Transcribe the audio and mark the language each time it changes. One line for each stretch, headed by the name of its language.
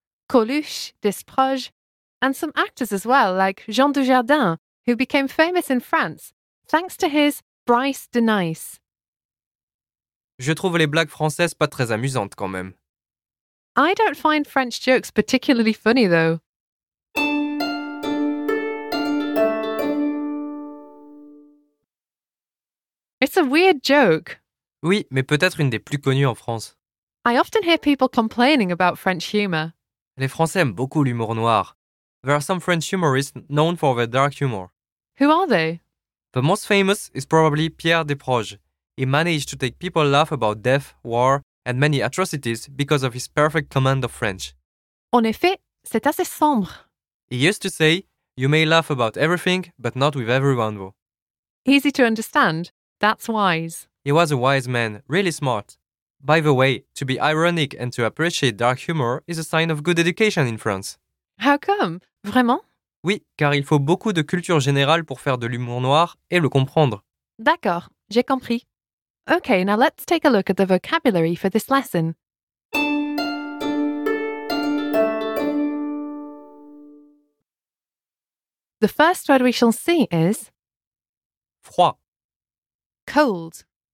English: Coluche, Desproges, and some actors as well, like Jean Dujardin, who became famous in France, thanks to his Bryce de Nice.
French: Je trouve les blagues françaises pas très amusantes quand même.
English: I don't find French jokes particularly funny though. It's a weird joke.
French: Oui, mais peut-être une des plus connues en France.
English: I often hear people complaining about French humor.
French: Les Français aiment beaucoup l'humour noir.
English: There are some French humorists known for their dark humor. Who are they? The most famous is probably Pierre Desproges. He managed to take people laugh about death, war, and many atrocities because of his perfect command of French.
French: En effet, c'est assez sombre.
English: He used to say, "You may laugh about everything, but not with everyone, though." Easy to understand. That's wise. He was a wise man, really smart. By the way, to be ironic and to appreciate dark humor is a sign of good education in France. How come?
French: Vraiment? Oui, car il faut beaucoup de culture générale pour faire de l'humour noir et le comprendre. D'accord, j'ai compris.
English: Okay, now let's take a look at the vocabulary for this lesson. The first word we shall see is
French: froid.
English: Cold.